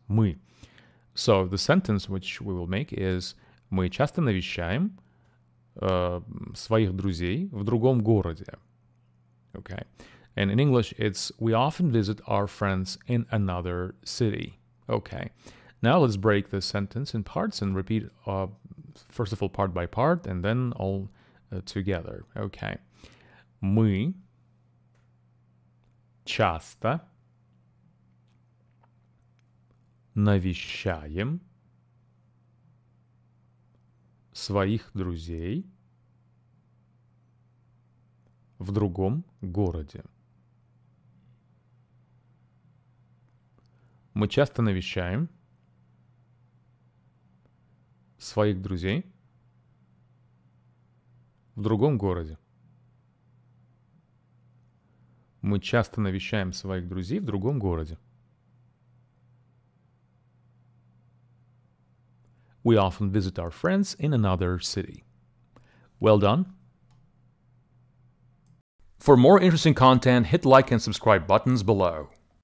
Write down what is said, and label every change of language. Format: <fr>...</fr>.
<en>Мы. So the sentence which we will make is</en> <ru>мы часто навещаем своих друзей в другом городе.</ru> <en>Okay. And in English, it's we often visit our friends in another city. Okay. Now let's break the sentence in parts and repeat, first of all, part by part, and then all together. Okay.</en> <ru>Мы часто навещаем своих друзей в другом городе. Мы часто навещаем своих друзей в другом городе. Мы часто навещаем своих друзей в другом городе.</ru> <en>We often visit our friends in another city. Well done. For more interesting content, hit like and subscribe buttons below.</en>